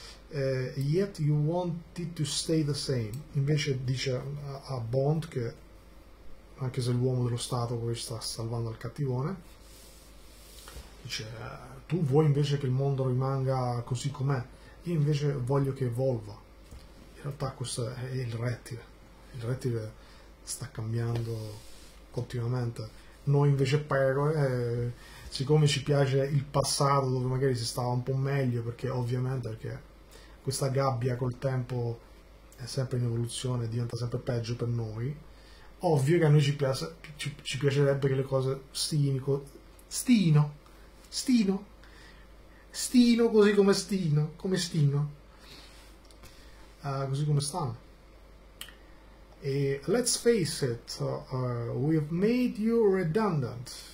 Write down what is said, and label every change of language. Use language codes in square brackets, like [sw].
[en] Yet you want it to stay the same. [it] Invece dice a Bond che, anche se l'uomo dello Stato poi sta salvando il cattivone, dice, tu vuoi invece che il mondo rimanga così com'è, io invece voglio che evolva. In realtà questo è il rettile sta cambiando continuamente. Noi invece pecore, siccome ci piace il passato dove magari si stava un po' meglio, perché ovviamente perché questa gabbia col tempo è sempre in evoluzione, diventa sempre peggio per noi. Ovvio che a noi ci piacerebbe che le cose stino così come stino, così come stanno. [en] E let's face it, we've made you redundant.